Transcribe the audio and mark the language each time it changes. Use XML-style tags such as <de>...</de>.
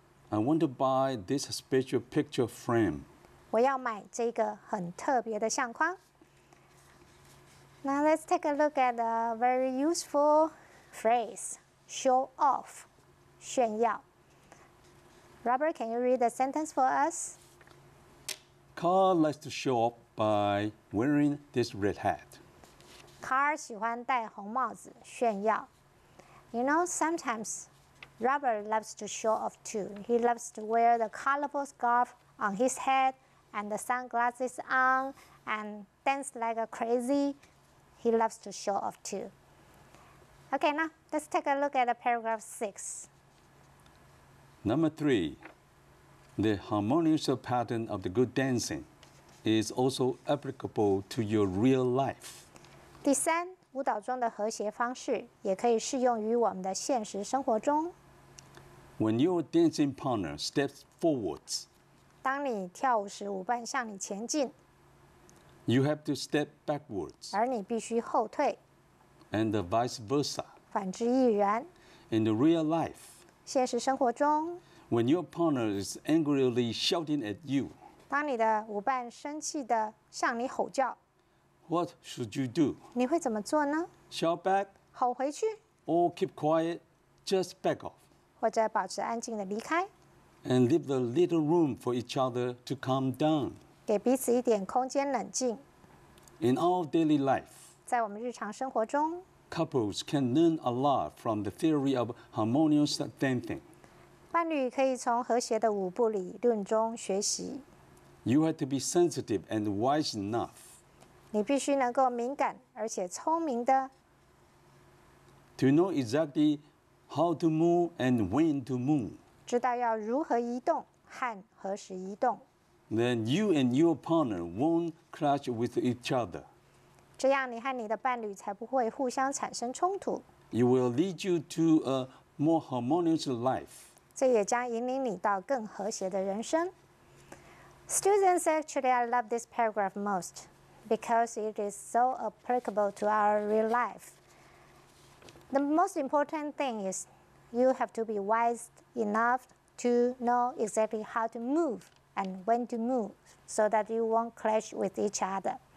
<en>I want to buy this special picture frame.</en> <zh>我要买这个很特别的相框。</zh> <en>Now let's take a look at a very useful phrase, show off, 炫耀。 Robert, can you read the sentence for us? Carl likes to show off by wearing this red hat.</en> <zh>Carl 喜欢戴红帽子炫耀。</zh> <en>You know, sometimes Robert loves to show off too. He loves to wear the colorful scarf on his head and the sunglasses on and dance like a crazy. He loves to show off too. Okay, now let's take a look at paragraph 6. Number 3. The harmonious pattern of the good dancing is also applicable to your real life.</en> <zh>第三，舞蹈中的和谐方式也可以适用于我们的现实生活中。</zh> <en>When your dancing partner steps forwards,</en> <zh>当你跳舞时舞伴向你前进</zh> <en>，you have to step backwards,</en> <zh>而你必须后退</zh> <en>，and vice versa,</en> <zh>反之亦然。</zh> <en>In the real life,</en> <zh>现实生活中。</zh> <en>When your partner is angrily shouting at you,</en> <zh>当你的舞伴生气地向你吼叫</zh> <en>what should you do?</en> <zh>你会怎么做呢</zh> <en>Shout back,</en> <zh>吼回去</zh> <en>or keep quiet, just back off,</en> <zh>或者保持安静地离开</zh> <en>and leave the little room for each other to calm down,</en> <zh>给彼此一点空间冷静</zh> <en>In our daily life,</en> <zh>在我们日常生活中</zh> <en>couples can learn a lot from the theory of harmonious dancing.</en> <zh>伴侣可以从和谐的舞步理论中学习。</zh> <en>You have to be sensitive and wise enough.</en> <zh>你必须能够敏感而且聪明的。</zh> <en>To know exactly how to move and when to move.</en> <zh>知道要如何移动和何时移动。</zh> <en>Then you and your partner won't clash with each other.</en> <zh>这样你和你的伴侣才不会互相产生冲突。</zh> <en>It will lead you to a more harmonious life.</en> <zh>这也将引领你到更和谐的人生。</zh> <en>Students, actually, I love this paragraph most because it is so applicable to our real life. The most important thing is you have to be wise enough to know exactly how to move and when to move so that you won't clash with each other.</en>